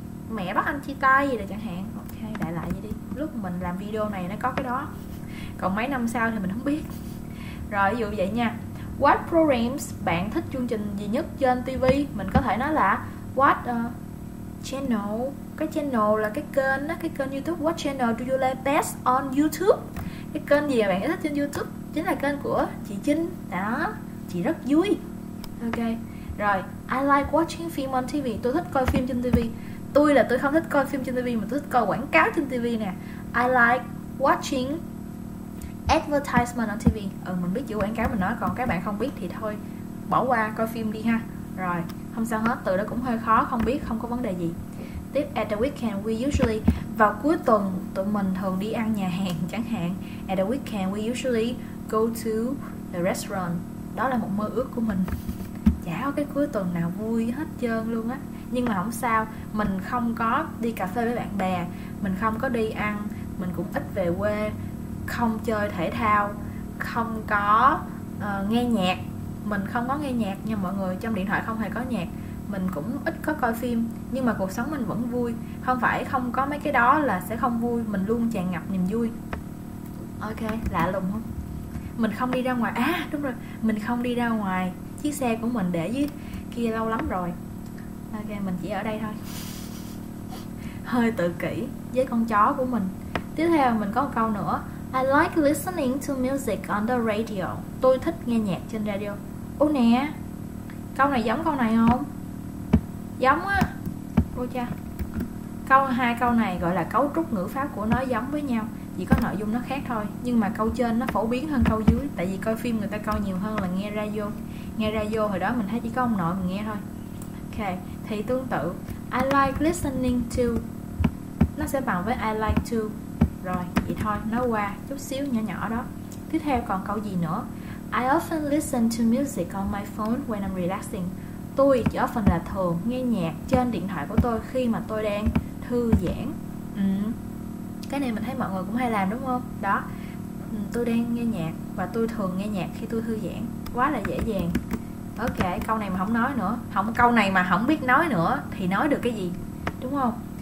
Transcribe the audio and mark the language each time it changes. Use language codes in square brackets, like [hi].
[vi] Mẹ bắt anh chia tay gì là chẳng hạn. Ok, đại loại vậy đi. Lúc mình làm video này nó có cái đó. Còn mấy năm sau thì mình không biết. Rồi, ví dụ vậy nha. [en] What programs [vi] bạn thích chương trình gì nhất trên TV? Mình có thể nói là [en] what channel. [vi] Cái channel là cái kênh đó, cái kênh YouTube. [en] What channel do you like best on YouTube? [vi] Cái kênh gì mà bạn thích trên YouTube? Chính là kênh của chị Trinh đó, chị rất vui. Ok, rồi [en] I like watching film on TV, [vi] tôi thích coi phim trên TV. Tôi là tôi không thích coi phim trên TV mà tôi thích coi quảng cáo trên TV nè. [en] I like watching advertisement on TV. [vi] Mình biết chữ quảng cáo mình nói, còn các bạn không biết thì thôi bỏ qua coi phim đi ha. Rồi không sao hết, từ đó cũng hơi khó, không biết không có vấn đề gì. Tiếp, [en] at the weekend we usually, [vi] vào cuối tuần tụi mình thường đi ăn nhà hàng chẳng hạn. [en] At the weekend we usually go to the restaurant. [vi] Đó là một mơ ước của mình. Chả có cái cuối tuần nào vui hết trơn luôn á. Nhưng mà không sao, mình không có đi cà phê với bạn bè, mình không có đi ăn, mình cũng ít về quê, không chơi thể thao, không có nghe nhạc. Mình không có nghe nhạc nha mọi người, trong điện thoại không hề có nhạc. Mình cũng ít có coi phim, nhưng mà cuộc sống mình vẫn vui. Không phải không có mấy cái đó là sẽ không vui, mình luôn tràn ngập niềm vui. Ok, lạ lùng không? Mình không đi ra ngoài, à đúng rồi, mình không đi ra ngoài. Chiếc xe của mình để dưới kia lâu lắm rồi. Ok, mình chỉ ở đây thôi. Hơi tự kỷ với con chó của mình. Tiếp theo mình có một câu nữa. [en] I like listening to music on the radio. [vi] Tôi thích nghe nhạc trên radio. Ô nè, câu này giống câu này không? Giống á. Cô cha. Câu hai câu này gọi là cấu trúc ngữ pháp của nó giống với nhau, chỉ có nội dung nó khác thôi, nhưng mà câu trên nó phổ biến hơn câu dưới, tại vì coi phim người ta câu nhiều hơn là nghe radio. Hồi đó mình thấy chỉ có ông nội mình nghe thôi. Ok, thì tương tự [en] I like listening to [vi] nó sẽ bằng với [en] I like to. [vi] Rồi, vậy thôi, nó qua chút xíu nhỏ nhỏ đó. Tiếp theo còn câu gì nữa? [en] I often listen to music on my phone when I'm relaxing. [vi] Tôi chỉ often là thường nghe nhạc trên điện thoại của tôi khi mà tôi đang thư giãn. Cái này mình thấy mọi người cũng hay làm đúng không? Đó, tôi đang nghe nhạc và tôi thường nghe nhạc khi tôi thư giãn. Quá là dễ dàng. Ok, câu này mà không nói nữa, không câu này mà không biết nói nữa thì nói được cái gì, đúng không?